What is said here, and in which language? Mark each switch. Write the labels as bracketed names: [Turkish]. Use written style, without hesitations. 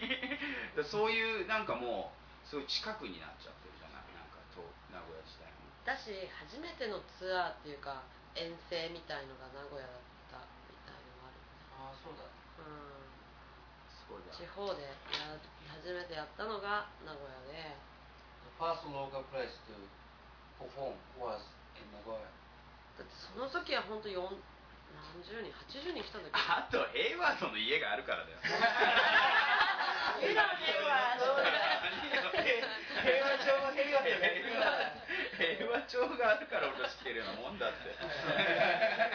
[Japanese] だそういうなんかもうすごい近くになっちゃってるじゃない、なんか名古屋自体も。だし初めてのツアーっていうか遠征みたいのが名古屋だったみたいのもある。ああそうだ、ね、うん、すごいだ、地方で初めてやったのが名古屋で、 [English] The first local place to perform was in 名古屋。 [Japanese] だってその時は本当何十人、80人来たんだけど、あとエイワードの家があるからだよ。ヘイワード、ヘイワード、ヘイワード、ヘイワード、ヘイワードがあるから俺知ってるようなもんだって。